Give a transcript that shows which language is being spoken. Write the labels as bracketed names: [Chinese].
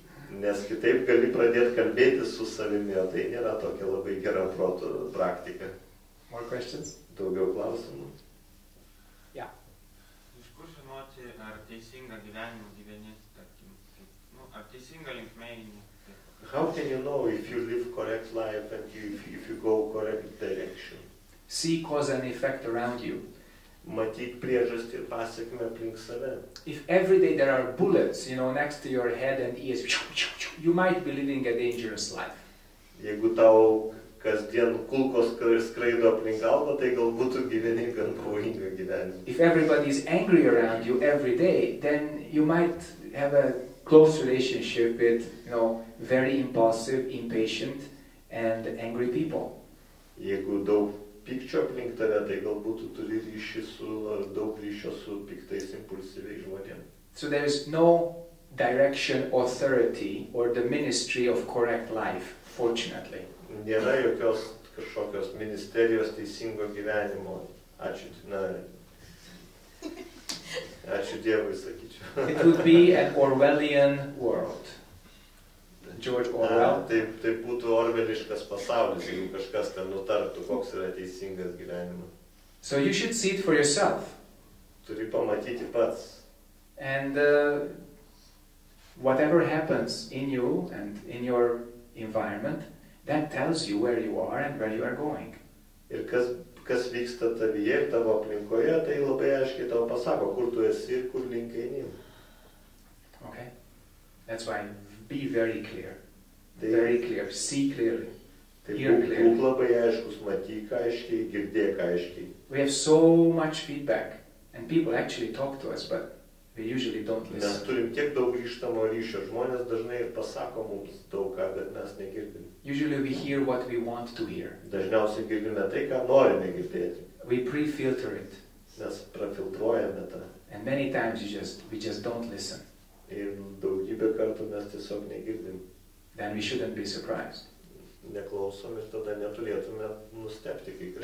[Lithuanian] Nes kitaip gali pradėti kalbėti su savimi, o tai nėra tokia labai gera proto praktika. [English] More questions? [Lithuanian] Daugiau klausimų? [English] Yeah. [Lithuanian] Iš kur žinoti, ar teisinga gyvenimo gyveni, tarkim, ar teisinga linkme eini? [English] How can you know if you live correct life and if you go correct direction? See cause and effect around you. [Lithuanian] Matyt priežastį ir pasiekmę aplink save. [English] If every day there are bullets, you know, next to your head and ears, you might be living a dangerous life. [Lithuanian] Jeigu tau kasdien kulkos skraido aplink galvą, tai galbūt tu gyveni gan pavojingą gyvenimą. [English] If everybody is angry around you every day, then you might have a close relationship with, you know, very impulsive, impatient and angry people. [Lithuanian] Jeigu daug pykčio aplink tave, tai galbūt tu turi ryšį su, daug ryšio su piktais impulsyviai žmonėm. [English] So there is no direction, authority or the ministry of correct life, fortunately. [Lithuanian] Nėra jokios kažkokios ministerijos teisingo gyvenimo. Ačiū, na, ačiū Dievui, sakyčiau. [English] It would be an Orwellian world. George Orwell. [Lithuanian] Tai būtų orveliškas pasaulis, jeigu kažkas ten nutartų, koks yra teisingas gyvenimas. [English] So you should see it for yourself. [Lithuanian] Turi pamatyti pats. [English] And whatever happens in you and in your environment, that tells you where you are and where you are going. [Lithuanian] Ir kas vyksta tavyje ir tavo aplinkoje, tai labai aiškiai tau pasako, kur tu esi ir kur link eini. [English] Okay. That's why be very clear. Very clear. See clearly. Hear clearly. [Lithuanian] Būk labai aiškus, matyk aiškiai, girdėk aiškiai. [English] We have so much feedback and people actually talk to us, but we usually don't listen. [Lithuanian] Mes turim tiek daug grįžtamo ryšio. Žmonės dažnai ir pasako mums daug ką, bet mes negirdim. [English] Usually we hear what we want to hear. [Lithuanian] Dažniausiai girdime tai, ką norime girdėti. [English] We pre-filter it. [Lithuanian] Mes prafiltruojame tą. [English] And many times we just don't listen. [Lithuanian] Ir daugybę kartų mes tiesiog negirdim. [English] Then we shouldn't be surprised. [Lithuanian] Neklausom ir tada neturėtume nustepti, kai kažkas.